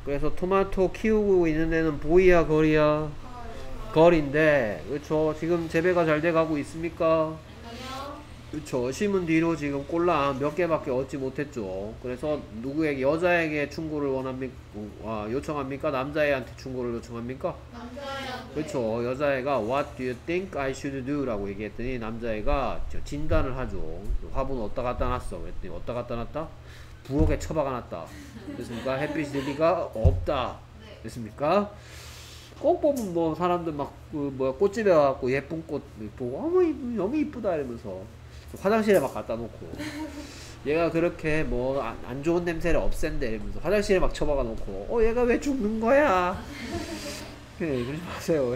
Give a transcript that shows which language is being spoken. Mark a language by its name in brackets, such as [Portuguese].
[Korean] 그래서 토마토 키우고 있는 애는 보이야, 거리야? 거리인데, 그쵸? 지금 재배가 잘 돼가고 있습니까? 그쵸. 심은 뒤로 지금 꼴랑 몇 개밖에 얻지 못했죠. 그래서 누구에게, 여자에게 충고를 원합니까? 요청합니까? 남자애한테 충고를 요청합니까? 남자애한테. 그쵸. 여자애가 [English] What do you think I should do? [Korean] 라고 얘기했더니 남자애가 진단을 하죠. 화분 어디다 갖다 놨어? 그랬더니 어디다 갖다 놨다? 부엌에 처박아 놨다. 됐습니까? 햇빛이 들리가 없다. 됐습니까? 꽃 보면 뭐 사람들 막 그 뭐야 꽃집에 와갖고 예쁜 꽃 보고 어머 너무 이쁘다 이러면서 화장실에 막 갖다 놓고 얘가 그렇게 뭐 안 좋은 냄새를 없앤대 이러면서 화장실에 막 처박아 놓고 어 얘가 왜 죽는 거야? 네, 그러지 마세요.